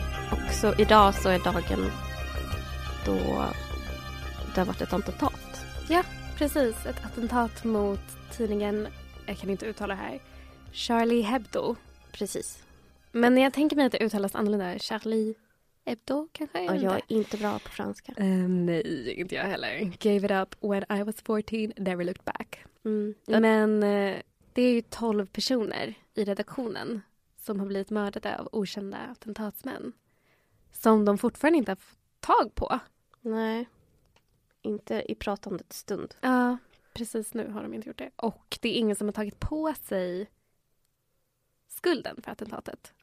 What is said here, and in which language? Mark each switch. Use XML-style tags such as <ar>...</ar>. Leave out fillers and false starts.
<sv>Och så idag så är dagen då det har varit ett attentat. Ja, precis. Ett attentat mot tidningen, jag kan inte uttala det här, Charlie Hebdo. Precis. Men jag tänker mig att det uttalas annorlunda. Charlie Hebdo kanske? Ja, jag är inte bra på franska. Nej, inte jag heller.</sv> <en>Gave it up when I was 14, never looked back. Mm.</en> <sv>Men det är ju 12 personer i redaktionen som har blivit mördade av okända attentatsmän. Som de fortfarande inte har fått tag på. Nej, inte i pratandet stund. Ja, precis nu har de inte gjort det. Och det är ingen som har tagit på sig skulden för attentatet.</sv>